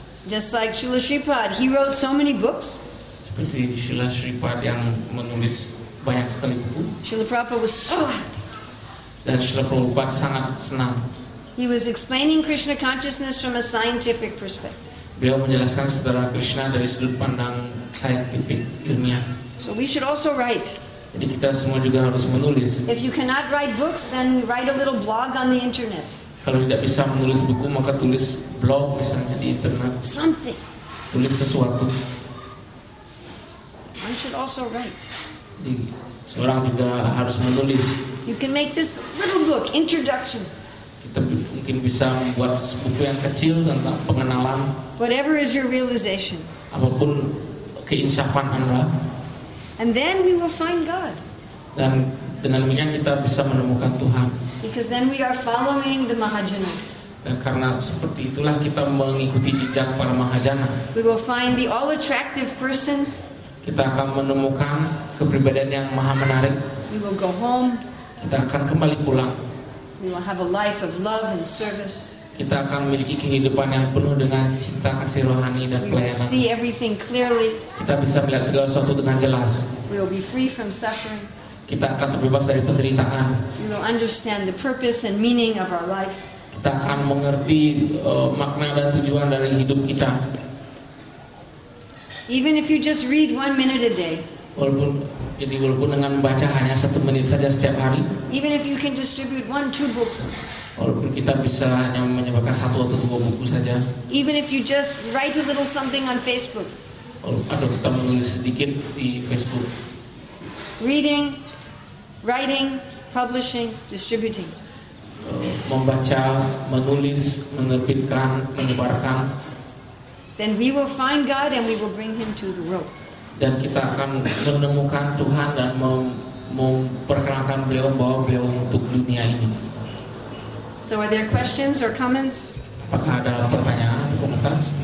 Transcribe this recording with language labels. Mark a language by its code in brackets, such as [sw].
[en] Just like Srila Prabhupada, he wrote so many books. [id] Seperti Srila Prabhupada yang menulis banyak sekali buku. [en] Srila Prabhupada was so happy. [id] Dan Srila Prabhupada sangat senang. [en] He was explaining Krishna consciousness from a scientific perspective. [id] Beliau menjelaskan secara Krishna dari sudut pandang scientific, ilmiah. [en] So we should also write. [id] Jadi kita semua juga harus menulis. [en] If you cannot write books, then write a little blog on the internet. [id] Kalau tidak bisa menulis buku, maka tulis blog misalnya di internet. [en] Something. [id] Tulis sesuatu. [en] One should also write. [id] Jadi, seorang juga harus menulis. [en] You can make this little book introduction. [id] Kita mungkin bisa membuat buku yang kecil tentang pengenalan. [en] Whatever is your realization. [id] Apapun keinsyafan Anda. [en] And then we will find God. [id] Dan dengan demikian kita bisa menemukan Tuhan. [en] Because then we are following the Mahajanas. [id] Dan karena seperti itulah kita mengikuti jejak para Mahajana. [en] We will find the all attractive person. [id] Kita akan menemukan kepribadian yang maha menarik. [en] We will go home. [id] Kita akan kembali pulang. [en] We will have a life of love and service. [id] kita akan memiliki kehidupan yang penuh dengan cinta kasih rohani dan pelayanan. [en] We see everything clearly. [id] Kita bisa melihat segala sesuatu dengan jelas. [en] We will be free from suffering. [id] Kita akan terbebas dari penderitaan. [en] We will understand the purpose and meaning of our life. [id] Kita akan mengerti makna dan tujuan dari hidup kita. [en] Even if you just read 1 minute a day. [id] Walaupun dengan membaca hanya 1 menit saja setiap hari. [en] Even if you can distribute 1-2 books. [id] Walaupun kita bisa hanya menyebarkan 1 atau 2 buku saja. [en] Even if you just write a little something on Facebook. [id] Atau kita menulis sedikit di Facebook. [en] Reading, writing, publishing, distributing. [id] Membaca, menulis, menerbitkan, menyebarkan. [en] Then we will find God and we will bring Him to the world. [id] Dan kita akan menemukan Tuhan dan memperkenalkan Beliau, bahwa Beliau untuk dunia ini. [en] So are there questions or comments? [id] Apakah ada pertanyaan atau komentar?